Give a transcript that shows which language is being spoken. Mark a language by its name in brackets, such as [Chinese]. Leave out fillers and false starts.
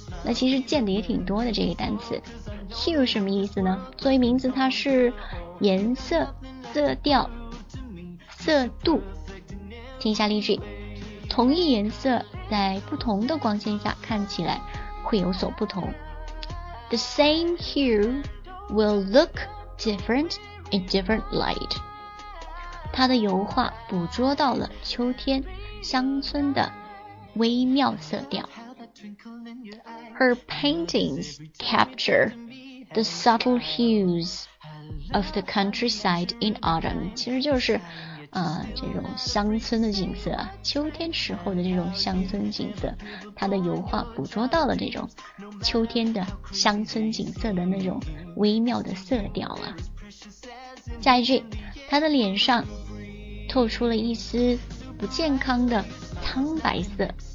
[Chinese] 那其实见的也挺多的这个单词。Hue 什么意思呢？作为名字它是颜色、色调、色度。听一下例句，同一颜色在不同的光线下看起来会有所不同。 [English] The same hue will look different in different light. [Chinese] 它的油画捕捉到了秋天乡村的微妙色调。 [English] Her paintings capture the subtle hues of the countryside in autumn. [Chinese] 其实就是这种乡村的景色，秋天时候的这种乡村景色，它的油画捕捉到了这种秋天的乡村景色的那种微妙的色调啊。下一句，他的脸上透出了一丝不健康的苍白色。